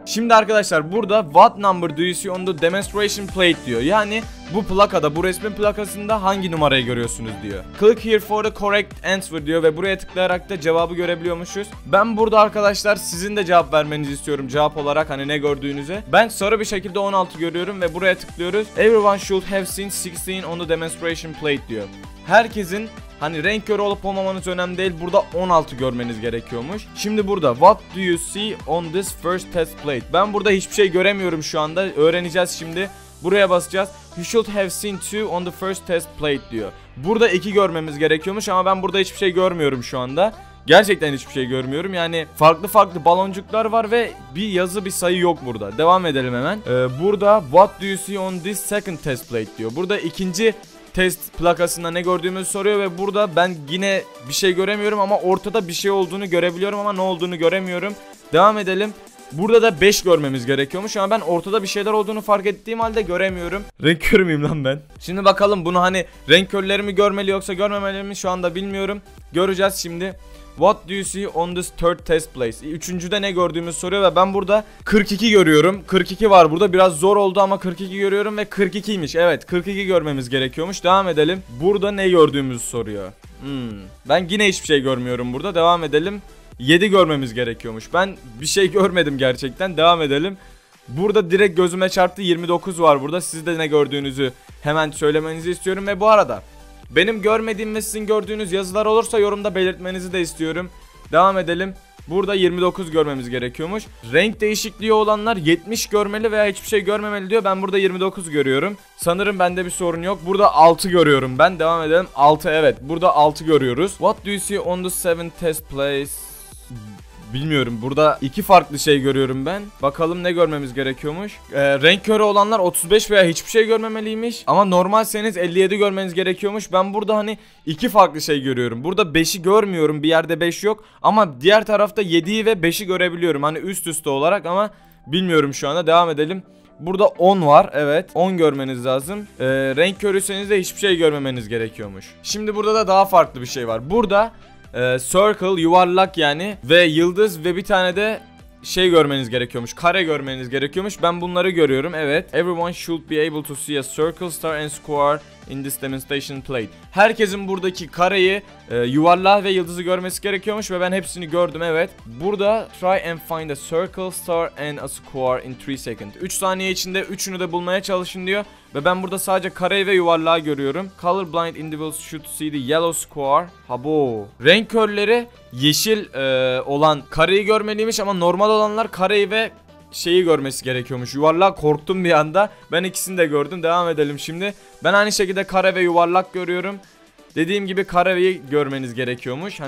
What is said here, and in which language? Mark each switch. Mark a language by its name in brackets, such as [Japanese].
[Turkish] Şimdi arkadaşlar, burada [English] what number do you see on the demonstration plate [Turkish] diyor. Yani bu plakada, bu resmin plakasında hangi numarayı görüyorsunuz diyor. [English] Click here for the correct answer [Turkish] diyor ve buraya tıklayarak da cevabı görebiliyormuşuz. Ben burada arkadaşlar sizin de cevap vermenizi istiyorum, cevap olarak hani ne gördüğünüze. Ben sarı bir şekilde 16 görüyorum ve buraya tıklıyoruz. [English] Everyone should have seen 16 on the demonstration plate [Turkish] diyor. Herkesin hani renk körü olup olmamanız önemli değil, burada 16 görmeniz gerekiyormuş. Şimdi burada [English] what do you see on this first test plate? [Turkish] Ben burada hiçbir şey göremiyorum şu anda, öğreneceğiz şimdi. Buraya basacağız. [English] You should have seen 2 on the first test plate [Turkish] diyor. Burada 2 görmemiz gerekiyormuş ama ben burada hiçbir şey görmüyorum şu anda. Gerçekten hiçbir şey görmüyorum. Yani farklı farklı baloncuklar var ve bir yazı, bir sayı yok burada. Devam edelim hemen. Burada [English] what do you see on this second test plate [Turkish] diyor. Burada ikinci test plakasında ne gördüğümüzü soruyor ve burada ben yine bir şey göremiyorum ama ortada bir şey olduğunu görebiliyorum ama ne olduğunu göremiyorum. Devam edelim. Burada da 5 görmemiz gerekiyormuş ama ben ortada bir şeyler olduğunu fark ettiğim halde göremiyorum. Renk körü müyüm lan ben? Şimdi bakalım bunu, hani renk körleri mi görmeli yoksa görmemeli mi şu anda bilmiyorum. Göreceğiz şimdi. [English] What do you see on this third test place? [Turkish] Üçüncüde ne gördüğümüz soruyor ve ben burada 42 görüyorum. 42 var burada. Biraz zor oldu ama 42 görüyorum ve 42'ymiş. Evet, 42 görmemiz gerekiyormuş. Devam edelim. Burada ne gördüğümüzü soruyor. Ben yine hiçbir şey görmüyorum burada. Devam edelim. 7 görmemiz gerekiyormuş. Ben bir şey görmedim gerçekten. Devam edelim. Burada direkt gözüme çarptı. 29 var burada. Siz de ne gördüğünüzü hemen söylemenizi istiyorum. Ve bu arada benim görmediğim ve sizin gördüğünüz yazılar olursa yorumda belirtmenizi de istiyorum. Devam edelim. Burada 29 görmemiz gerekiyormuş. Renk değişikliği olanlar 70 görmeli veya hiçbir şey görmemeli diyor. Ben burada 29 görüyorum. Sanırım bende bir sorun yok. Burada 6 görüyorum ben. Devam edelim. 6, evet. Burada 6 görüyoruz. [English] What do you see on the 7th test place? [Turkish] Bilmiyorum. Burada iki farklı şey görüyorum ben. Bakalım ne görmemiz gerekiyormuş. Renk körü olanlar 35 veya hiçbir şey görmemeliymiş. Ama normalseniz 57 görmeniz gerekiyormuş. Ben burada hani iki farklı şey görüyorum. Burada 5'i görmüyorum. Bir yerde 5 yok. Ama diğer tarafta 7'yi ve 5'i görebiliyorum. Hani üst üste olarak ama bilmiyorum şu anda. Devam edelim. Burada 10 var, evet, 10 görmeniz lazım. Renk körüyseniz de hiçbir şey görmemeniz gerekiyormuş. Şimdi burada da daha farklı bir şey var. Burada circle, yuvarlak yani, ve yıldız ve bir tane de şey görmeniz gerekiyormuş, kare görmeniz gerekiyormuş. Ben bunları görüyorum, evet. [English] Everyone should be able to see a circle, star and square in this demonstration plate. [Turkish] Herkesin buradaki kareyi, yuvarlağı ve yıldızı görmesi gerekiyormuş ve ben hepsini gördüm, evet. Burada [English] try and find a circle, star and a square in 3 seconds. [Turkish] 3 saniye içinde üçünü de bulmaya çalışın diyor. Ve ben burada sadece kareyi ve yuvarlağı görüyorum. [English] Colorblind individuals should see the yellow square. Habo. [Turkish] Renk körleri yeşil olan kareyi görmeliymiş ama normal olanlar kareyi ve şeyi görmesi gerekiyormuş. Yuvarlak, korktum bir anda. Ben ikisini de gördüm. Devam edelim şimdi. Ben aynı şekilde kare ve yuvarlak görüyorum. Dediğim gibi kareyi görmeniz gerekiyormuş.